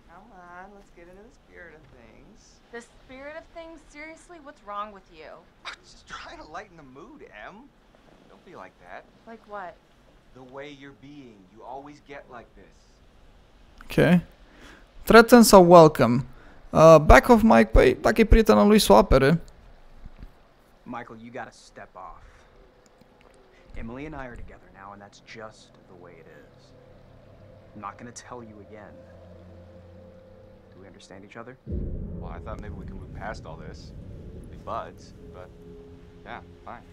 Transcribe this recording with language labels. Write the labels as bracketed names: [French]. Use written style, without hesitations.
[English] Come on, let's get into the spirit of things. The spirit of things? Seriously, what's wrong with you? I'm just trying to lighten the mood, Em. Be like that. Like what? The way you're being, you always get like this. Okay. Threaten sau welcome. Back of Mike, [Romanian] păi, dacă e prietenul lui, s-o apere. [English] Michael, you gotta step off. Emily and I are together now, and that's just the way it is. I'm not gonna tell you again. Do we understand each other? Well, I thought maybe we could move past all this. Be buds, but... Yeah, fine.